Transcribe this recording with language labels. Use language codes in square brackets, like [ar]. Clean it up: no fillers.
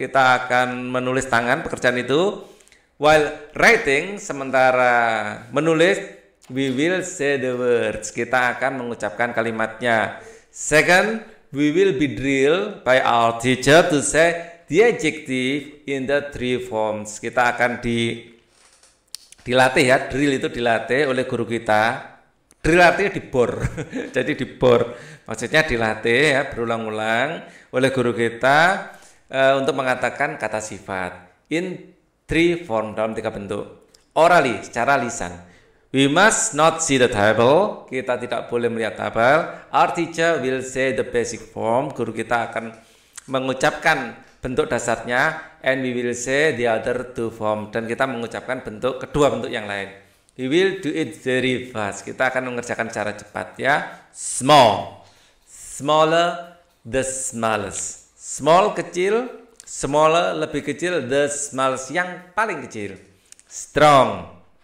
[id] Kita akan menulis tangan pekerjaan itu. [en] While writing, [id] sementara menulis, [en] we will say the words. [id] Kita akan mengucapkan kalimatnya. [en] Second, we will be drilled by our teacher to say the adjective in the three forms. [id] Kita akan dilatih, ya. Drill itu dilatih oleh guru kita. Drill artinya dibor. Jadi dibor. Maksudnya dilatih, ya, berulang-ulang oleh guru kita untuk mengatakan kata sifat [en] in three form, [id] dalam tiga bentuk. [en] Orally, [id] secara lisan. [en] We must not see the table. [id] Kita tidak boleh melihat tabel. [en] Our teacher will say the basic form. [id] Guru kita akan mengucapkan bentuk dasarnya. [en] And we will say the other two form. [id] Dan kita mengucapkan bentuk kedua bentuk yang lain. [en] We will do it very fast. [id] Kita akan mengerjakan secara cepat, ya. Small. Smaller, the smallest. Small, kecil. Smaller, lebih kecil. [en] The smallest, [id] yang paling kecil. Strong.